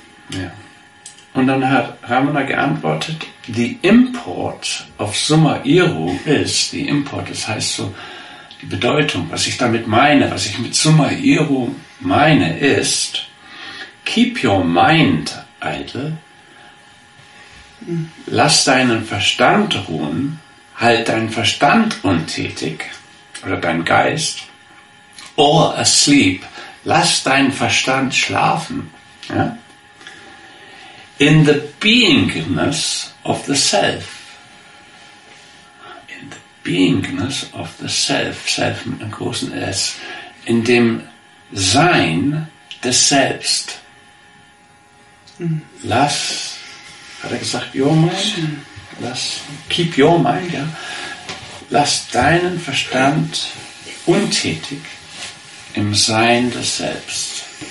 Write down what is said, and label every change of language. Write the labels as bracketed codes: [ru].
[de] Ja. Und dann hat Ramana geantwortet, [en] the import of summa iru is, the import, [de] das heißt so, die Bedeutung, was ich damit meine, was ich mit summa iru meine, ist, [en] keep your mind idle, [de] lass deinen Verstand ruhen, halt deinen Verstand untätig, oder deinen Geist, [en] or asleep, [de] lass deinen Verstand schlafen, ja? [en] In the beingness of the self. Beingness of the Self, [de] Self mit einem großen S, in dem Sein des Selbst. Lass, hat er gesagt, [en] your mind, [de] lass, [en] keep your mind, [de] ja, lass deinen Verstand untätig im Sein des Selbst.